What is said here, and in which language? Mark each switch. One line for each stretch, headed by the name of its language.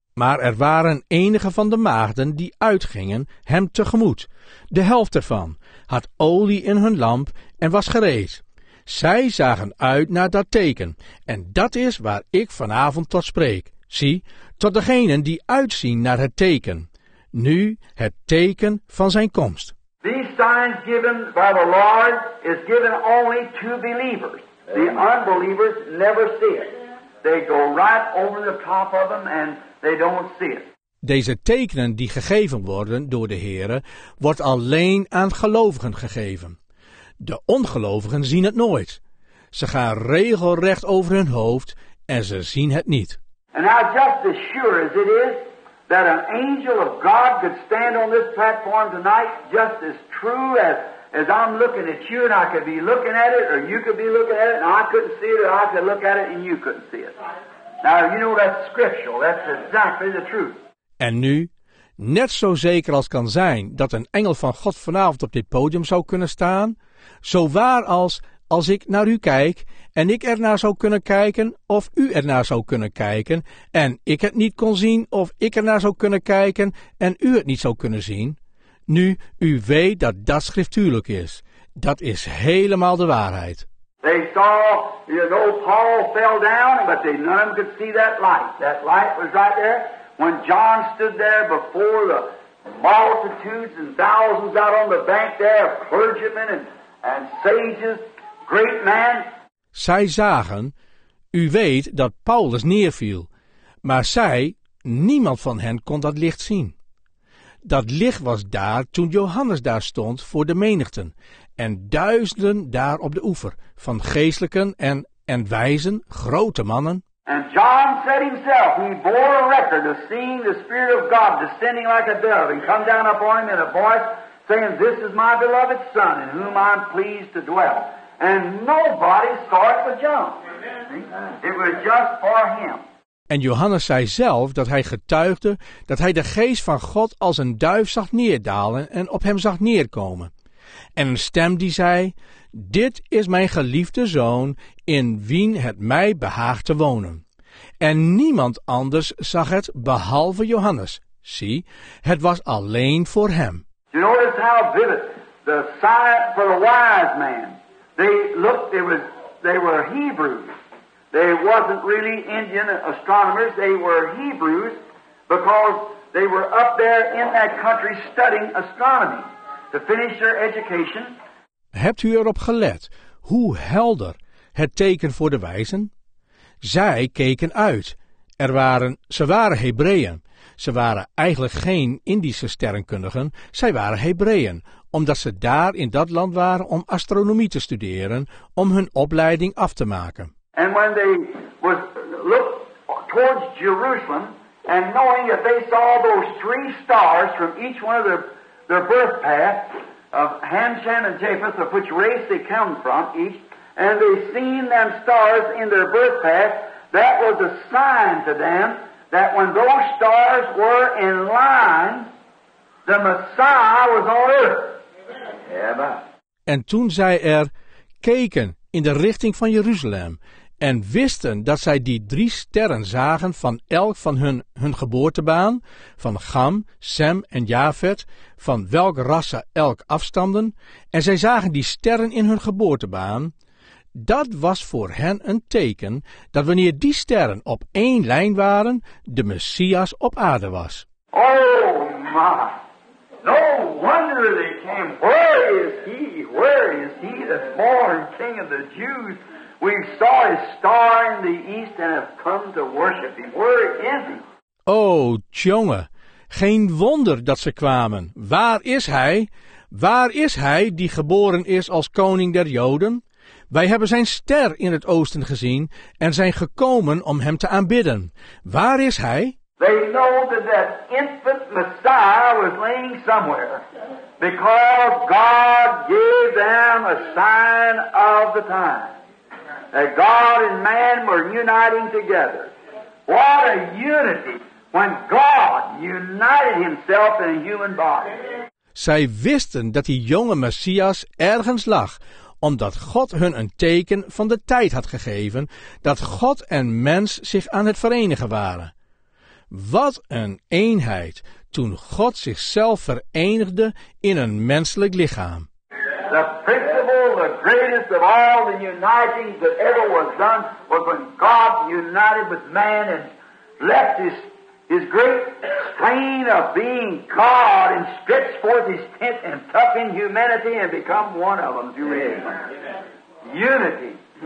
Dutch: Maar er waren enige van de maagden die uitgingen hem tegemoet. De helft ervan had olie in hun lamp en was gereed. Zij zagen uit naar dat teken. En dat is waar ik vanavond tot spreek. Zie, tot degenen die uitzien naar het teken. Nu het teken van zijn komst.
English: These signs given by the Lord is given only to believers. The unbelievers never see it. They go right over the top of them and they don't see it.
Dutch: Deze tekenen die gegeven worden door de Heere, wordt alleen aan gelovigen gegeven. De ongelovigen zien het nooit. Ze gaan regelrecht over hun hoofd en ze zien het niet.
English: And now just as sure as it is that an angel of God could stand on this platform tonight, just as true as I'm looking at you and I could be looking at it, or you could be looking at it and I couldn't see it, or I could look at it and you couldn't see it. Now you know that's scriptural, that's exactly the truth.
Dutch: En nu, net zo zeker als kan zijn dat een engel van God vanavond op dit podium zou kunnen staan, zo waar als ik naar u kijk en ik ernaar zou kunnen kijken of u ernaar zou kunnen kijken en ik het niet kon zien of ik ernaar zou kunnen kijken en u het niet zou kunnen zien. Nu, u weet dat dat schriftuurlijk is. Dat is helemaal de waarheid.
English: They saw, you know, Paul fell down, but they none of them could see that light. That light was right there. When John stood there before the multitudes and thousands out on the bank there of clergymen and sages, great man.
Dutch: Zij zagen, u weet dat Paulus neerviel, maar zij, niemand van hen kon dat licht zien. Dat licht was daar toen Johannes daar stond voor de menigten en duizenden daar op de oever van geestelijken en wijzen, grote mannen.
English: And John said himself, he bore a record of seeing the Spirit of God descending like a dove and come down upon him in a voice saying, this is my beloved Son in whom I'm pleased to dwell. And nobody saw it but John. It was just for him.
Dutch: En Johannes zei zelf dat hij getuigde dat hij de geest van God als een duif zag neerdalen en op hem zag neerkomen. En een stem die zei, dit is mijn geliefde zoon in wien het mij behaagt te wonen. En niemand anders zag het behalve Johannes. Zie, het was alleen voor hem.
English: You notice how vivid the sign for the wise man. They looked, they were Hebrews. They wasn't really Indian astronomers, they were Hebrews because they were up there in that country studying astronomy. To finish their education.
Dutch: Hebt u erop gelet hoe helder het teken voor de wijzen? Zij keken uit. Ze waren Hebreeën. Ze waren eigenlijk geen Indische sterrenkundigen. Zij waren Hebreeën, omdat ze daar in dat land waren om astronomie te studeren, om hun opleiding af te maken.
English: And when they looked towards Jerusalem, and knowing that they saw those three stars from each one of their birth path of Ham, Shem, and Japheth, of which race they come from, each, and they seen them stars in their birth path, That was a sign to them that when those stars were in line, the Messiah was on earth.
Dutch: En toen zij er keken in de richting van Jeruzalem en wisten dat zij die drie sterren zagen van elk van hun geboortebaan, van Cham, Sem en Jafet, van welk rassen elk afstamden, en zij zagen die sterren in hun geboortebaan, dat was voor hen een teken dat wanneer die sterren op één lijn waren, de Messias op aarde was.
English: Oh my! No wonder they came. Where is he? Where is he, the born king of the Jews? We saw his star in the east and have come to worship him. Where is he?
Dutch: Oh, tjonge, geen wonder dat ze kwamen. Waar is hij? Waar is hij die geboren is als koning der Joden? Wij hebben zijn ster in het oosten gezien en zijn gekomen om hem te aanbidden. Waar is hij?
English: They know that that infant Messiah was laying somewhere because God gave them a sign of the time. That God and man were uniting together. What a unity when God united himself in a human body.
Dutch: Zij wisten dat die jonge Messias ergens lag, omdat God hun een teken van de tijd had gegeven dat God en mens zich aan het verenigen waren. Wat een eenheid toen God zichzelf verenigde in een menselijk lichaam.
English: The principle, the greatest of all the uniting that ever was done, was when God united with man and left his great strain of being God and stretched forth his tent and toughened humanity and become one of them. Do you read? Unity.